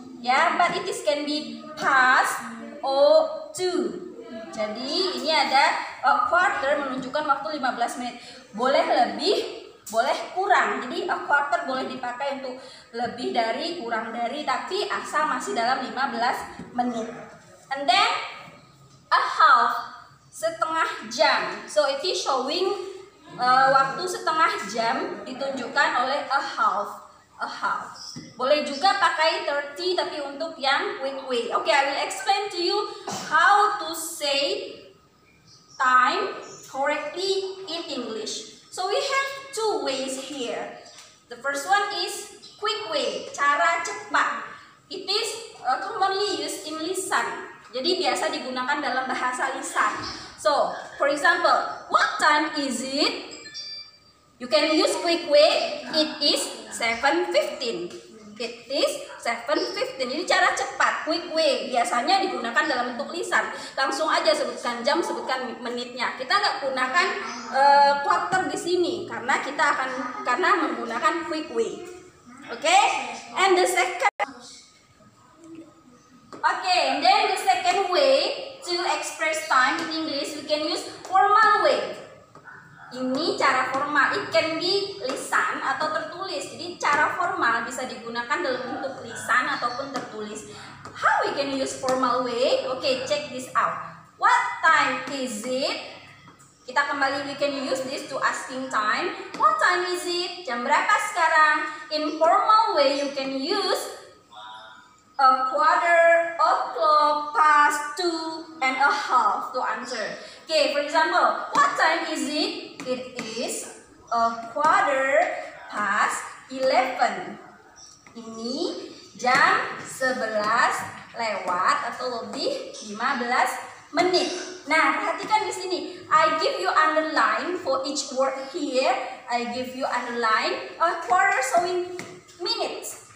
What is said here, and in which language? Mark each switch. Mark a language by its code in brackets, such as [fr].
[en] Yeah, but it is can be past or 2. [id] Jadi ini ada a quarter menunjukkan waktu 15 menit. Boleh lebih, boleh kurang. Jadi a quarter boleh dipakai untuk lebih dari, kurang dari, tapi asal masih dalam 15 menit. [en] And then a half, [id] setengah jam. [en] So it is showing [id] waktu setengah jam ditunjukkan oleh a half. A half. Boleh juga pakai 30, tapi untuk yang wait. [en] Okay, I will explain to you how to say time correctly in English. So we have two ways here. The first one is quick way, [id] cara cepat. [en] It is commonly used in lisan. [id] Jadi biasa digunakan dalam bahasa lisan. [en] So, for example, what time is it? You can use quick way, it is 7:15. It is 7:15. [id] Jadi cara cepat, quick way, biasanya digunakan dalam bentuk lisan. Langsung aja sebutkan jam, sebutkan menitnya. Kita nggak gunakan quarter di sini karena kita akan karena menggunakan quick way. [en] Okay? And the second. Okay, and then the second way to express time in English, we can use formal way. [id] Ini cara formal. [en] It can be [id] lisan atau tertulis. Jadi cara formal bisa digunakan dalam bentuk lisan ataupun tertulis. [en] How we can use formal way? Okay, check this out. What time is it? [id] Kita kembali, [en] we can use this to asking time. What time is it? [id] Jam berapa sekarang? [en] In formal way, you can use a quarter, o'clock, past, two, and a half to answer. Okay, for example, what time is it? It is a quarter past 11. [id] Ini jam 11 lewat atau lebih 15 menit. Nah, perhatikan di sini. [en] I give you underline for each word here. I give you underline a quarter showing minutes.